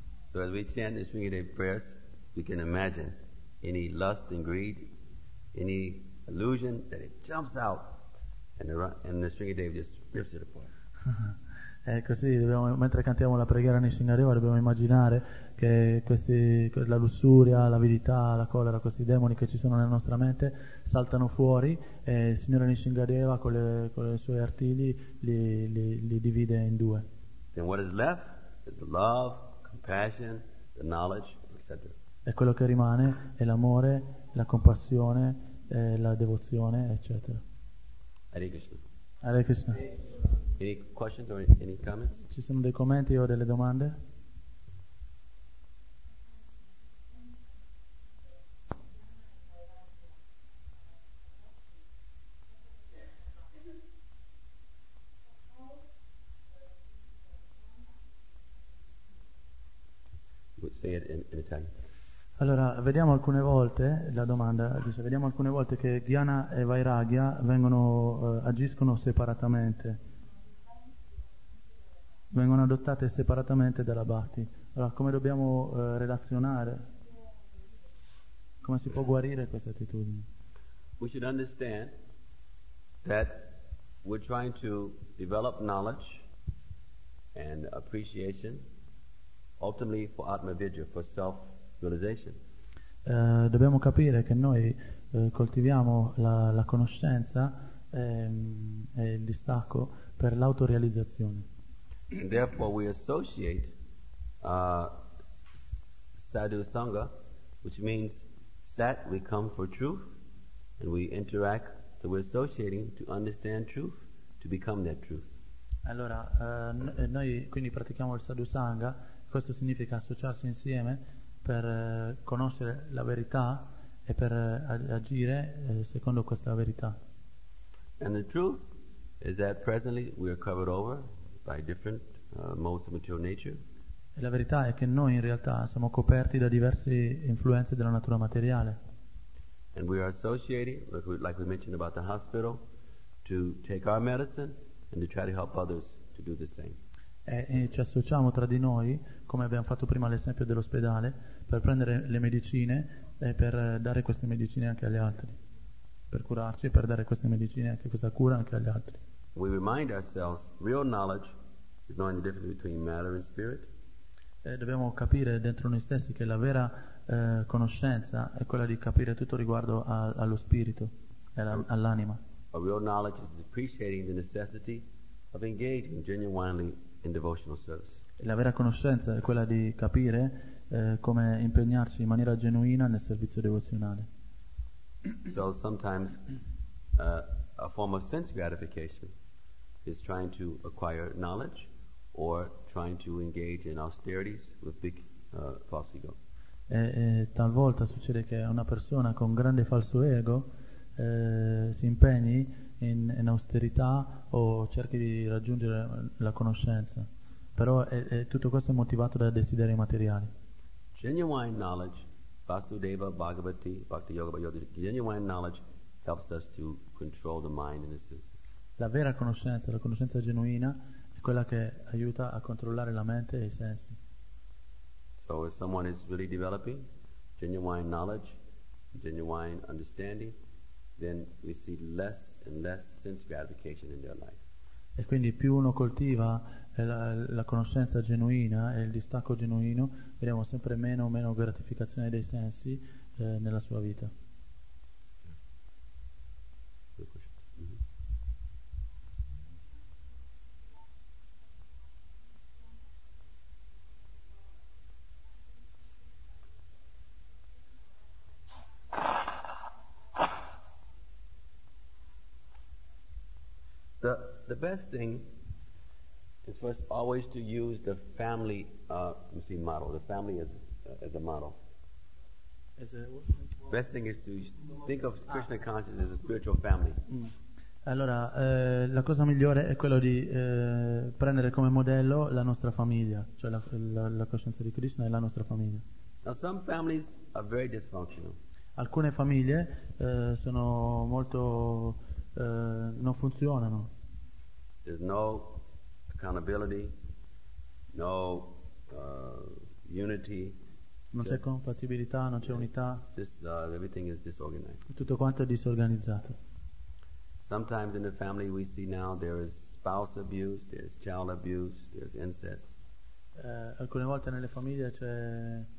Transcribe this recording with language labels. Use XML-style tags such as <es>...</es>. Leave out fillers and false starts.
<en>So as we chant the Nisingadeva prayers, we can imagine any lust and greed, any illusion, that it jumps out and the Nisingadeva just rips it apart.</en> <it>E così dobbiamo, mentre cantiamo la preghiera Nisingadeva, dobbiamo immaginare che questi, la lussuria, l'avidità, la collera, questi demoni che ci sono nella nostra mente saltano fuori e il Signore Nisingadeva con le sue artigli li divide in due.</it> <en>Then what is left is the love, compassion, the knowledge, etc.</en> <it>E quello che rimane è l'amore, la compassione, la devozione, eccetera.</it> <sa>Hare Krishna. Hare Krishna.</sa> <en>Any questions or any comments?</en> <it>Ci sono dei commenti o delle domande?</it> <en>Say it in Italian.</en> <it>Allora, vediamo alcune volte la domanda, dice, vediamo alcune volte che Jnana e Vairagya vengono agiscono separatamente. Vengono adottate separatamente dalla Bhakti. Allora, come dobbiamo relazionare? Come si può guarire questa attitudine?</it> <en>We should understand that we're trying to develop knowledge and appreciation ultimately for Atma Vidya, for self realization.</en> <it>Dobbiamo capire che noi coltiviamo la conoscenza e il distacco per l'autorealizzazione.</it> <en>And therefore we associate sadhu sangha, which means sat, we come for truth, and we interact, so we're associating to understand truth, to become that truth.</en> <it>Allora, noi quindi pratichiamo il sadhu sangha, questo significa associarsi insieme per conoscere la verità e per agire secondo questa verità.</it> <en>And the truth is that presently we are covered over by different modes of material nature.</en> <it>E la verità è che noi in realtà siamo coperti da diverse influenze della natura materiale.</it> <en>And we are associated, like we mentioned about the hospital, to take our medicine and to try to help others to do the same.</en> <it>E ci associamo tra di noi, come abbiamo fatto prima l'esempio dell'ospedale, per prendere le medicine e per dare queste medicine anche agli altri, per curarci e per dare queste medicine, anche questa cura, anche agli altri.</it> <en>We remind ourselves real knowledge. Knowing the difference between matter and spirit.</en> <it>Dobbiamo capire dentro noi stessi che la vera conoscenza è quella di capire tutto riguardo allo spirito e all'anima.</it> <en>A real knowledge is appreciating the necessity of engaging genuinely in devotional service.</en> <it>La vera conoscenza è quella di capire come impegnarci in maniera genuina nel servizio devozionale.</it> <en>So sometimes a form of sense gratification is trying to acquire knowledge. Or trying to engage in austerities with big false ego.</en> <it>E talvolta succede che una persona con grande falso ego si impegni in austerità o cerchi di raggiungere la conoscenza. Però tutto questo è motivato da desideri materiali.</it> <en>Genuine knowledge, Vasudeva, Bhagavati, Bhakti Yoga, genuine knowledge helps us to control the mind in a sense.</en> <it>La vera conoscenza, la conoscenza genuina, è quella che aiuta a controllare la mente e i sensi.</it> <en>So if someone is really developing genuine knowledge, genuine understanding, then we see less and less sense gratification in their life.</en> <it>E quindi più uno coltiva la conoscenza genuina e il distacco genuino, vediamo sempre meno o meno gratificazione dei sensi nella sua vita.</it> <en>The best thing is first always to use the family model. The family as a model. Best thing is to think of Krishna consciousness as a spiritual family.</en> <it>Allora, la cosa migliore è quello di prendere come modello la nostra famiglia, cioè la coscienza di Krishna e la nostra famiglia.</it> <en>Now some families are very dysfunctional.</en> <it>Alcune famiglie sono molto non funzionano.</it> <en>There's no accountability, no unity.</en> <it>Non c'è compatibilità, non c'è unità.</it> <en>Everything is disorganized.</en> <it>Tutto quanto è disorganizzato.</it> <en>Sometimes in the family we see now there is spouse abuse, there is child abuse, there is incest.</en> <it>Alcune volte nelle famiglie c'è</it>